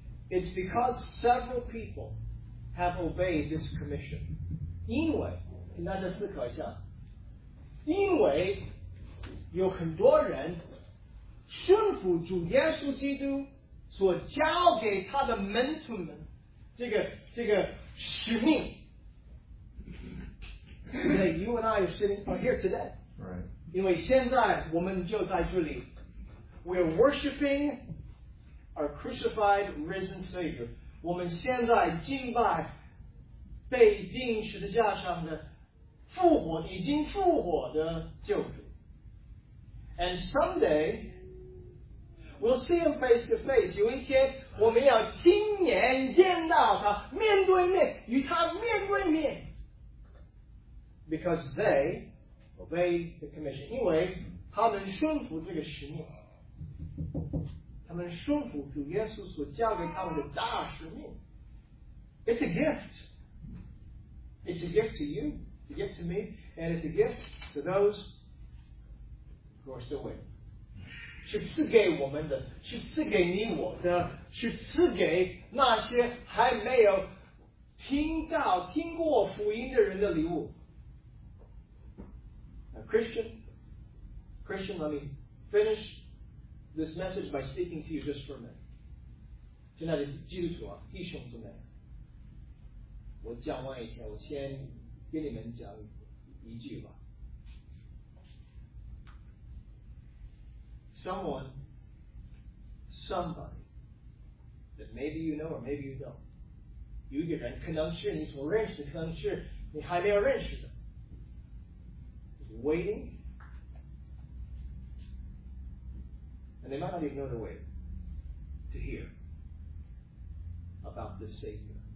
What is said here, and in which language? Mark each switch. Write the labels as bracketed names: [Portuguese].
[English] It's because several people have obeyed this commission. [Chinese] 因为，请大家思考一下，因为有很多人顺服主耶稣基督所交给他的门徒们这个使命。 [English] Today, you and I are sitting here today. Right. [Chinese] 因为现在我们就在这里。 [English] We are worshiping our crucified, risen Savior. [Chinese] 我们现在敬拜被钉十字架上的复活，已经复活的救主。 [English] And someday, we'll see Him face to face. [Chinese] 有一天我们要亲眼见到他，面对面，与他面对面。 [English] Because they obey the commission. [Chinese] 因为他们顺服这个使命。他们顺服主耶稣所交给他们的大使命。 [English] It's a gift. It's a gift to you. It's a gift to me. And it's a gift to those who are still waiting. [Chinese] 是赐给我们的，是赐给你我的，是赐给那些还没有听过福音的人的礼物。 [English] Christian, let me finish this message by speaking to you just for a minute. [Chinese] 亲爱的基督徒啊，弟兄姊妹。我讲完以前，我先跟你们讲一句吧。 [English] Someone, somebody, that maybe you know or maybe you don't, [Chinese] 有一个人可能是你所认识的，可能是你还没有认识的， [English] waiting, and they might not even know the way to hear about the Savior.